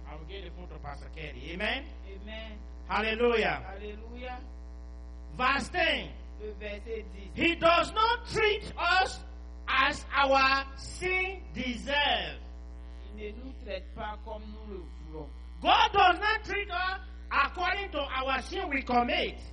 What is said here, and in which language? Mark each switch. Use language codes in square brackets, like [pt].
[en] I will get the phone to Pastor Kerry. Amen. Amen. Hallelujah. Hallelujah. Verse 10. [fr] Le verset 10. [en] He does not treat us as our sin deserve. [fr] Il ne nous traite pas comme nous le voulons. [en] God does not treat us according to our sin we commit.